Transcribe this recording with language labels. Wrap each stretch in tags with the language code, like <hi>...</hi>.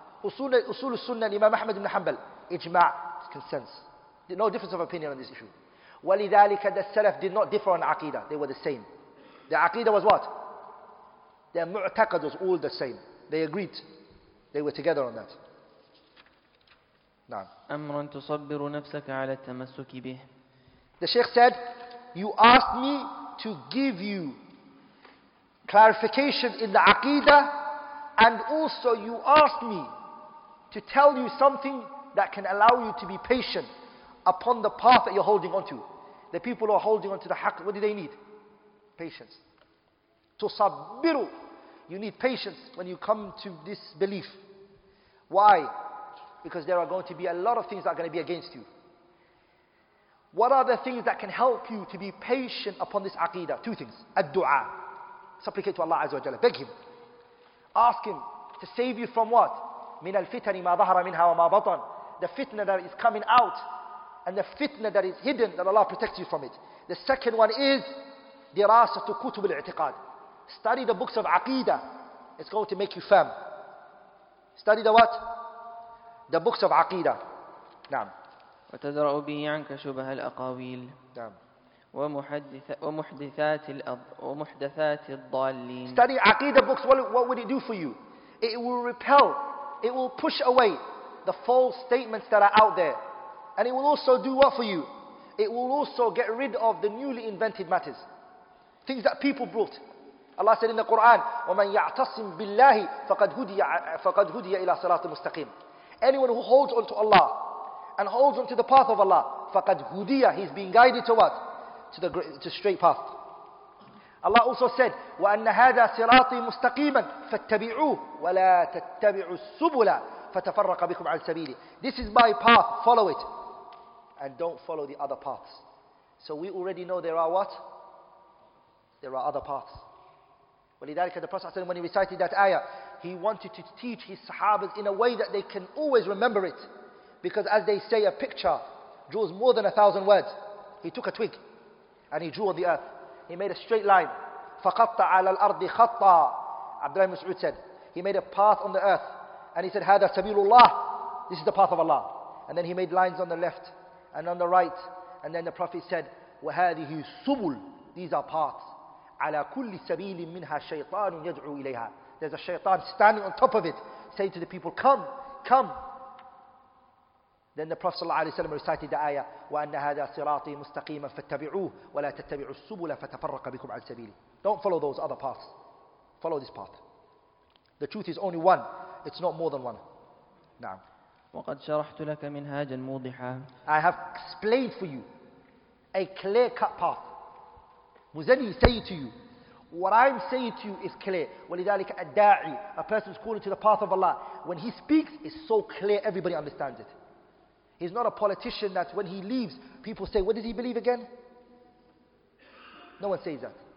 <en>Usul al-Sunnah Imam Ahmad ibn Hanbal, ijma', consensus. There's no difference of opinion on this issue.</en> <ar>وَلِذَلِكَ</ar> <en>the Salaf did not differ on Aqidah, they were the same. Their Aqidah was what? Their Mu'taqad was all the same. They agreed, they were together on that.</en> <ar>نعم. أَمْرًا تُصَبِّرُ نَفْسَكَ عَلَى التَّمَسُّكِ بِهِ.</ar> <en>The Shaykh said, you asked me to give you clarification in the Aqidah, and also you asked me to tell you something that can allow you to be patient upon the path that you're holding onto. The people who are holding onto the haqq, what do they need? Patience.</en> <ar>تُصَبِّرُ.</ar> <en>You need patience when you come to this belief. Why? Because there are going to be a lot of things that are going to be against you. What are the things that can help you to be patient upon this aqidah? Two things.</en> <ar>الدُّعَى.</ar> <en>Supplicate to Allah Azza wa Jalla. Beg Him. Ask Him to save you from what?</en> <ar>مِنَ الْفِتَنِ مَا ظَهَرَ مِنْهَا وَمَا بَطَنْ.</ar> <en>The fitna that is coming out and the fitna that is hidden, that Allah protects you from it. The second one is</en> <ar>دِرَاسَةُ كُتُبِ الْاِعْتِقَادِ.</ar> <en>Study the books of Aqeedah. It's going to make you firm. Study the what? The books of Aqeedah.</en> <ar>نعم. وتذرأ به عنك شبه الأقاويل. نعم. ومحدثات الضالين.</ar> <en>Study Aqeedah books. What would it do for you? It will repel. It will push away the false statements that are out there. And it will also do what for you? It will also get rid of the newly invented matters. Things that people brought. Allah said in the Quran,</en> <ar>وَمَنْ يَعْتَصِمْ بِاللَّهِ فَقَدْ هُدِيَ إِلَىٰ صِرَاطٍ مُسْتَقِيمٍ.</ar> <en>Anyone who holds on to Allah and holds on to the path of Allah,</en> <ar>فَقَدْ هُدِيَ,</ar> <en>he's being guided to what? To straight path. Allah also said,</en> <ar>وَأَنَّ هَذَا صِرَاطٍ مُسْتَقِيمًا فَاتَّبِعُوهُ وَلَا تَتَّبِعُوا السُّبُلَ فَتَفَرَّقَ بِكُمْ عَلْ سَبِيلِ.</ar> <en>This is my path, follow it. And don't follow the other paths. So we already know there are what? There are other paths.</en> <ar>ولذلك</ar> <en>the Prophet ﷺ, when he recited that ayah, he wanted to teach his sahabas in a way that they can always remember it. Because as they say, a picture draws more than 1,000 words. He took a twig and he drew on the earth. He made a straight line.</en> <ar>فَقَطَّ عَلَى الْأَرْضِ خَطَّى.</ar> <en>Abdullah Mas'ud said, he made a path on the earth. And he said,</en> <ar>هَذَا سَبِيلُ اللَّهِ.</ar> <en>This is the path of Allah. And then he made lines on the left and on the right. And then the Prophet said,</en> <ar>وَهَذِهِ السُّبُلُ.</ar> <en>These are paths.</en> <ar>عَلَى كُلِّ سَبِيلٍ مِّنْهَا شَيْطَانٌ يَدْعُو إِلَيْهَا.</ar> <en>There's a shaytan standing on top of it, saying to the people, come, come. Then the Prophet ﷺ recited the ayah,</en> <ar>وَأَنَّ هَذَا صِرَاطِي مُسْتَقِيمًا فَاتَّبِعُوهُ وَلَا تَتَّبِعُوا السُّبُلَ فَتَفَرَّقَ بِكُمْ عَلْ سَبِيلِ.</ar> <en>Don't follow those other paths. Follow this path. The truth is only one. It's not more than one.</en> <ar>نعم. وَقَدْ شَرَحْتُ لَكَ مِنْهَاجًا مُوضِحًا.</ar> <en>I have explained for you a clear-cut path. Muzani is saying to you, what I'm saying to you is clear.</en> <ar>وَلِذَلِكَ الدَّاعِي.</ar> <en>A person is calling to the path of Allah. When he speaks, it's so clear, everybody understands it. He's not a politician that when he leaves, people say, what does he believe again? No one says that.</en>